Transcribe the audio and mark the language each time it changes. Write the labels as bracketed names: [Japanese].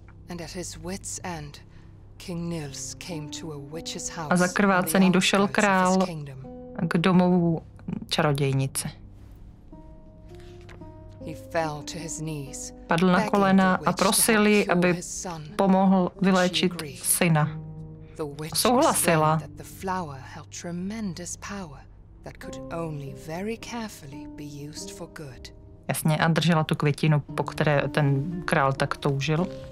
[English] And at his wit's end, King Nils came to a witch's house. [Czech] A zakrvácený došel král k domovu čarodějnice. [English] He fell to his knees. [Czech] Padl na kolena a prosil ji, aby pomohl vyléčit syna. Souhlasila. [English] The flower held tremendous power that could only very carefully be used for good. [Czech] Jasně, a držela tu květinu, po které ten král tak toužil.